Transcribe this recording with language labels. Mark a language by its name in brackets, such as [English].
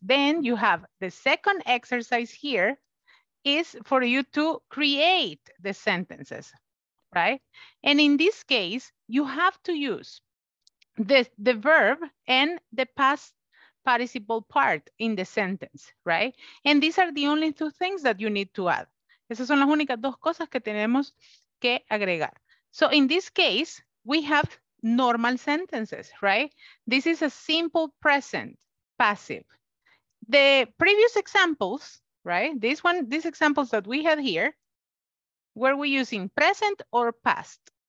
[English] Then you have the second exercise here is for you to create the sentences, right? And in this case, you have to use the verb and the past participle part in the sentence, right? And these are the only two things that you need to add. [Spanish] Esas son las únicas dos cosas que tenemos que agregar. [English] So, in this case, we have normal sentences, right? This is a simple present passive. The previous examples, right? This one, these examples that we had here, were we using present or past?